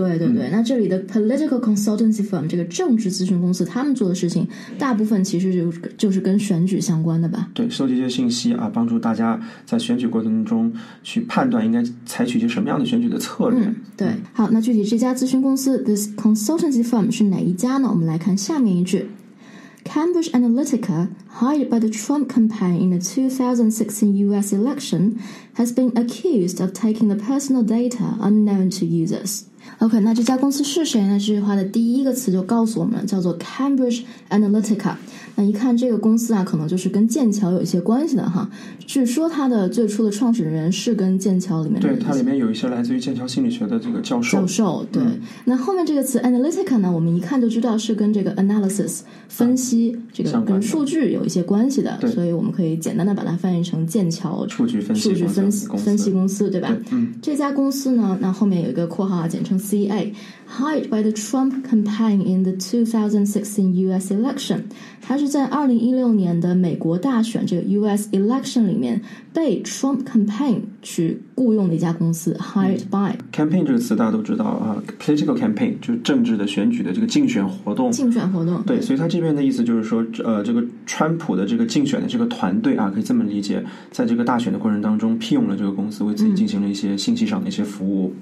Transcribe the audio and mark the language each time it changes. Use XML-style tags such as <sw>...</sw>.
<zh>对对对，那这里的 political consultancy firm这个政治咨询公司他们做的事情大部分其实就是跟选举相关的吧，对，收集一些信息啊，帮助大家在选举过程中去判断应该采取一些什么样的选举的策略，对，好，那具体这家咨询公司</zh> <en>This consultancy firm</en> <zh>是哪一家呢？</zh> <en>我们来看下面一句， Cambridge Analytica hired by the Trump campaign in the 2016 US election has been accused of taking the personal data unknown to usersOK，</en> <zh>那这家公司是谁呢？这句话的第一个词就告诉我们，叫做 Cambridge Analytica。那一看这个公司啊，可能就是跟剑桥有一些关系的哈。据说它的最初的创始人是跟剑桥里面的，对，它里面有一些来自于剑桥心理学的这个教授。对，那后面这个词 Analytica 呢，我们一看就知道是跟这个 analysis 分析，这个跟数据有一些关系的，对，所以我们可以简单的把它翻译成剑桥数据分析公司，对吧？这家公司呢，那后面有一个括号啊，简称 CA。</zh> <en>Hired by the Trump campaign in the 2016 U.S.</en> <zh>election， 他是在2016年的美国大选这个 U.S. election 里面被 Trump campaign 去雇用的一家公司 hired by。 campaign 这个词大家都知道啊 ，political campaign 就是政治的选举的这个竞选活动。对，所以他这边的意思就是说，这个川普的这个竞选的这个团队啊，可以这么理解，在这个大选的过程当中聘用了这个公司，为自己进行了一些信息上的一些服务。</zh>